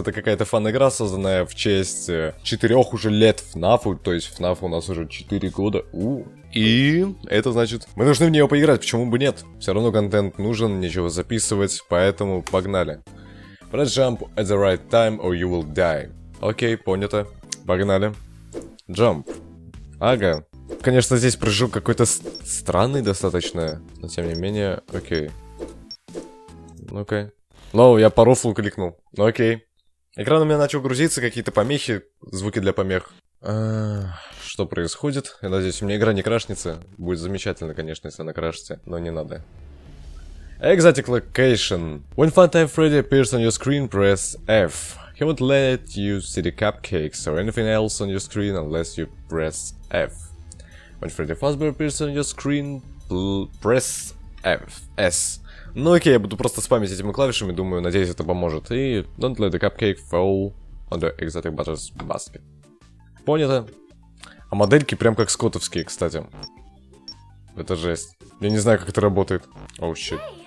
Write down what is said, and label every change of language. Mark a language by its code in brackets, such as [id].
[ru] Это какая-то фан-игра, созданная в честь 4 уже лет ФНАФу. То есть ФНАФ у нас уже 4 года. И это значит, мы должны в нее поиграть, почему бы нет? Все равно контент нужен, нечего записывать, поэтому погнали. [en] Press jump at the right time or you will die. [ru] Окей, понято. Погнали. Jump. Ага. Конечно, здесь прыжок какой-то странный достаточно, но тем не менее, окей. Ну-ка. Я по рофлу кликнул. Окей. Экран у меня начал грузиться, какие-то помехи, звуки для помех. Что происходит? Я надеюсь, у меня игра не крашнется. Будет замечательно, конечно, если она крашится, но не надо. [en] Exotic location. When Funtime Freddy appears on your screen, press F. He won't let you see the cupcakes or anything else on your screen unless you press F. When Freddy Fazbear appears on your screen, press F. S. [ru] Ну окей, я буду просто спамить этими клавишами, думаю, надеюсь, это поможет. [en] И don't let the cupcake fall on the exotic butter's basket. [ru] Понято. А модельки прям как скотовские, кстати. Это жесть. Я не знаю, как это работает. Оу, щит.